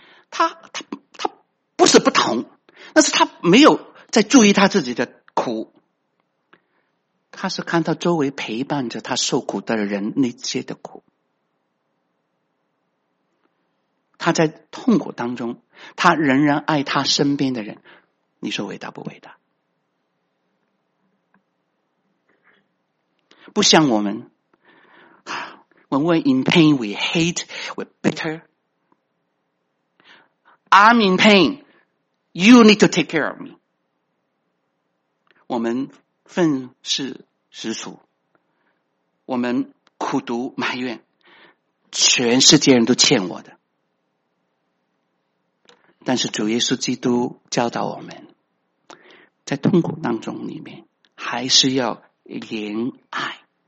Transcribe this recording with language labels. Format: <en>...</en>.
<zh>他不是不疼，但是他没有在注意他自己的苦，他是看到周围陪伴着他受苦的人那些的苦。他在痛苦当中，他仍然爱他身边的人，你说伟大不伟大？不像我们</zh> <en>，When we're in pain, we hate, we're bitter. I'm in pain, you need to take care of me.</en> <zh>我们愤世嫉俗，我们苦读埋怨，全世界人都欠我的。但是主耶稣基督教导我们，在痛苦当中里面，还是要怜爱。</zh>